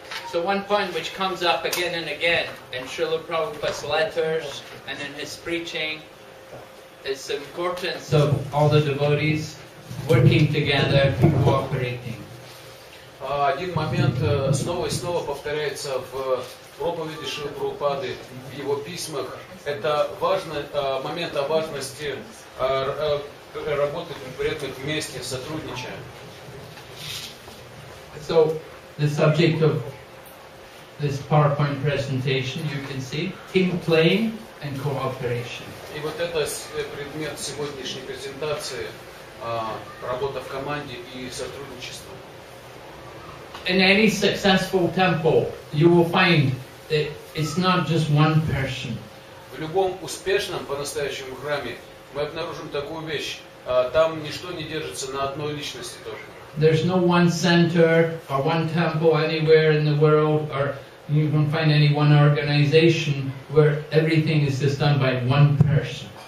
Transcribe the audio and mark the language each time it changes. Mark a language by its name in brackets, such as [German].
[English] So one point which comes up again and again in Srila Prabhupada's letters and in his preaching is the importance of all the devotees working together and cooperating. [Russian] Один момент снова и снова повторяется в проповеди Шрилы Прабхупады, в его письмах. Это важный момент о важности работать при этом вместе, сотрудничая. [English] So the subject of this PowerPoint presentation, you can see, team playing and cooperation. [Russian] И вот это предмет сегодняшней презентации, работа в команде и сотрудничество. [English] In any successful temple, you will find that it's not just one person. [Russian] В любом успешном по-настоящему храме мы обнаружим такую вещь: там ничто не держится на одной личности тоже. [English] There's no one center or one temple anywhere in the world, or you won't find any one organization where everything is just done by one person.